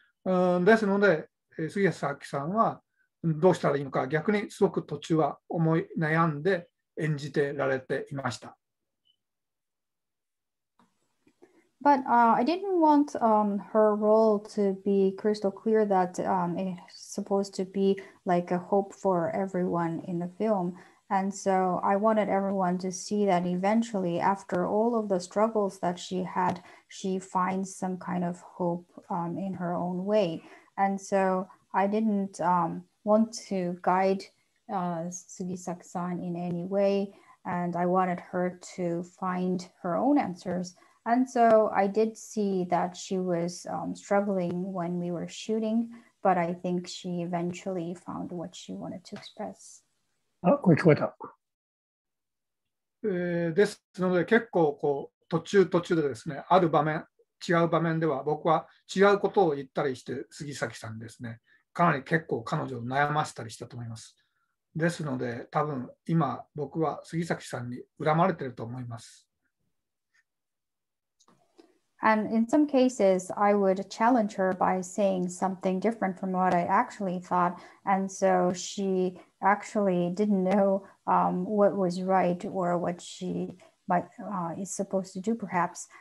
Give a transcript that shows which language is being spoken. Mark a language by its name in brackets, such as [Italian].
[Japanese] ですので、杉谷さんはどうしたらいいのか、逆にすごく途中は思い悩んで演じてられていました。 [English] But I didn't want her role to be crystal clear that it's supposed to be like a hope for everyone in the film. And so I wanted everyone to see that eventually, after all of the struggles that she had, she finds some kind of hope in her own way. And so I didn't want to guide Sugisaki-san in any way, and I wanted her to find her own answers. And so I did see that she was struggling when we were shooting, but I think she eventually found what she wanted to express. [Japanese] これ聞こえた。ですので結構こう途中途中でですね、ある場面、違う場面では僕は違うことを言ったりして杉咲さんですね、かなり結構彼女を悩ませたりしたと思います。ですので多分今僕は杉咲さんに恨まれてると思います。 [English] And in some cases, I would challenge her by saying something different from what I actually thought. And so she actually didn't know what was right or what she might is supposed to do, perhaps.